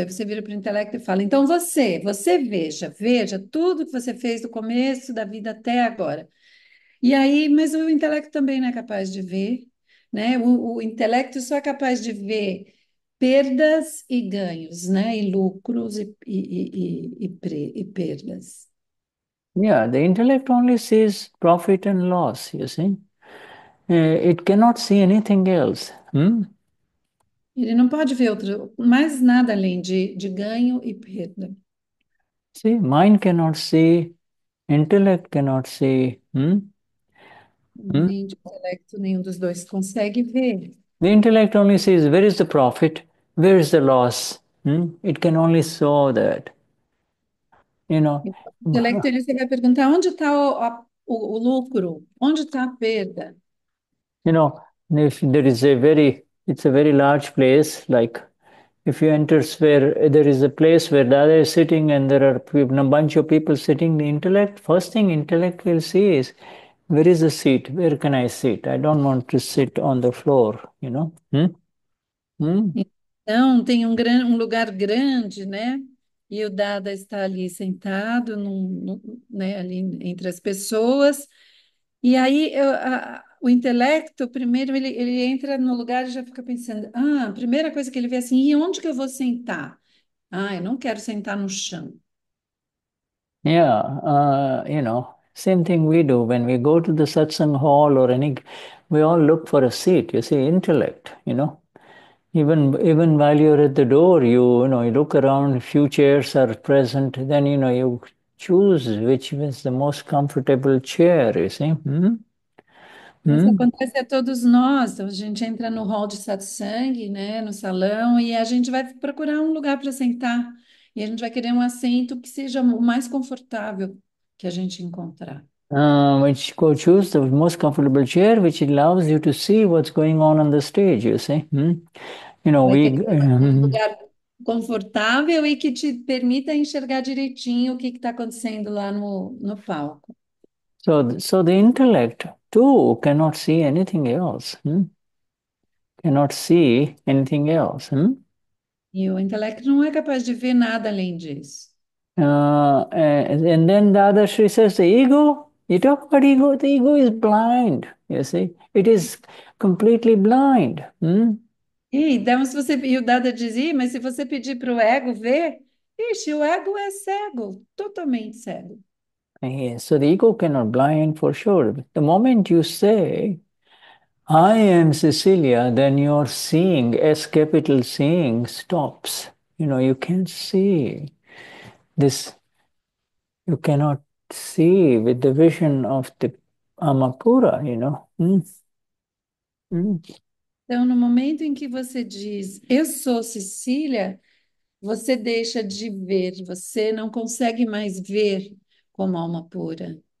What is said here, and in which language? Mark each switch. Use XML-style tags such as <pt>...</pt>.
<pt>Aí você vira para o intelecto e fala: então, você veja tudo que você fez do começo da vida até agora. E aí, mas o intelecto também não é capaz de ver, né? O intelecto só é capaz de ver perdas e ganhos, né? E lucros e perdas.</pt> <en>Yeah, the intellect only sees profit and loss, you see. It cannot see anything else.</en> <pt>Ele não pode ver outro, mais nada além de ganho e perda.</pt> <en>See, mind cannot see, intellect cannot see.</en> <pt>Nem de intelecto, nenhum dos dois consegue ver.</pt> <en>The intellect only sees where is the profit, where is the loss. It can only saw that. You know.</en> <pt>Então, o intelecto, ele vai perguntar onde está o lucro, onde está a perda?</pt> <en>You know, if there is a very, it's a very large place, like if you enter where there is a place where Dada is sitting and there are people, a bunch of people sitting, the intellect, first thing intellect will see is, where is the seat? Where can I sit? I don't want to sit on the floor, you know.</en> <pt>Então, tem um lugar grande, né? E o Dada está ali sentado, né, ali entre as pessoas. E aí o intelecto, primeiro, ele entra no lugar e já fica pensando: ah, a primeira coisa que ele vê assim, e onde que eu vou sentar? Ah, eu não quero sentar no chão.</pt> <en>You know, same thing we do when we go to the satsang hall or any, we all look for a seat, you see, intellect, you know. Even while you're at the door, you know, you look around, a few chairs are present, then you know, you choose which is the most comfortable chair, you see.</en> <pt>Isso acontece a todos nós. A gente entra no hall de satsang, né, no salão, e a gente vai procurar um lugar para sentar. E a gente vai querer um assento que seja o mais confortável que a gente encontrar.</pt> <en>Which go choose the most comfortable chair, which allows you to see what's going on the stage, you see? You know,</en> <pt>Vai</pt> <en>we.</en> <pt>querer um lugar confortável e que te permita enxergar direitinho o que que está acontecendo lá no palco.</pt> <en>So the intellect too cannot see anything else. Cannot see anything else.</en> <pt>E o intelecto não é capaz de ver nada além disso.</pt> <en>And then the other Sri says, the ego. You talk about ego, the ego is blind, you see. It is completely blind.</en> <pt>E então, se você, e o Dada dizia, mas se você pedir para o ego ver, ixi, o ego é cego, totalmente cego.</pt> <en>Yes, so the ego cannot blind for sure. But the moment you say, I am Cecilia, then your seeing, S capital seeing, stops. You know, you can't see this. You cannot see with the vision of the Amakura, you know.</en> <pt>Então, no momento em que você diz eu sou Cecília, você deixa de ver, você não consegue mais ver como alma pura.</pt>